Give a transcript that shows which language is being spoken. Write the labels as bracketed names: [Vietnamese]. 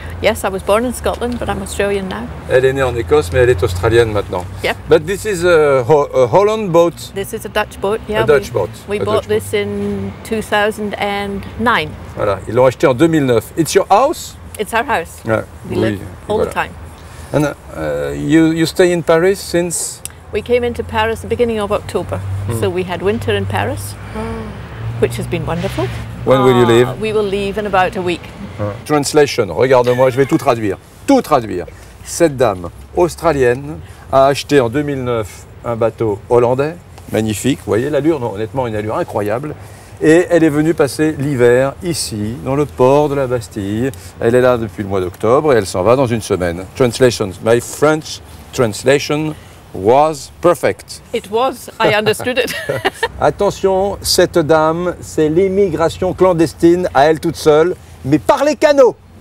[English] Yes, I was born in Scotland, but I'm Australian now. [French] Elle est née en Écosse, mais elle est australienne maintenant. [English] Yeah. But this is a Holland boat. This is a Dutch boat, yeah. A Dutch boat. We bought this in 2009. [French] Voilà, ils l'ont acheté en 2009. [English] It's your house? It's our house. Yeah. We live all the time. And you stay in Paris since? We came into Paris the beginning of October. Mm. So we had winter in Paris, which has been wonderful. When will you leave? We will leave in about a week. [French] Translation, regarde-moi, je vais tout traduire. Tout traduire. Cette dame australienne a acheté en 2009 un bateau hollandais, magnifique. Vous voyez l'allure, non, honnêtement, une allure incroyable. Et elle est venue passer l'hiver ici, dans le port de la Bastille. Elle est là depuis le mois d'octobre et elle s'en va dans une semaine. [English] Translation, my French translation was perfect. It was, I understood it. [French] Attention, cette dame, c'est l'immigration clandestine à elle toute seule, mais par les canaux.